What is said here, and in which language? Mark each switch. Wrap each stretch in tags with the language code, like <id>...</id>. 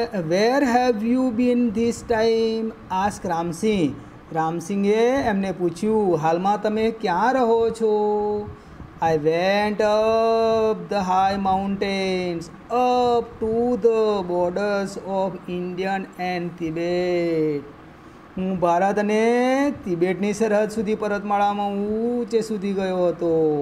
<en>Where have you been this time? Asked Ramsingh.</en> <gu>રામસિંહે એમને પૂછ્યું, હાલમાં તમે ક્યાં રહો છો?</gu> <en>I went up the high mountains, up to the borders of Indian and Tibet.</en> <gu>હું ભારત અને તિબેટની સરહદ સુધી પર્વતમાળામાં ઊંચે સુધી ગયો હતો.</gu>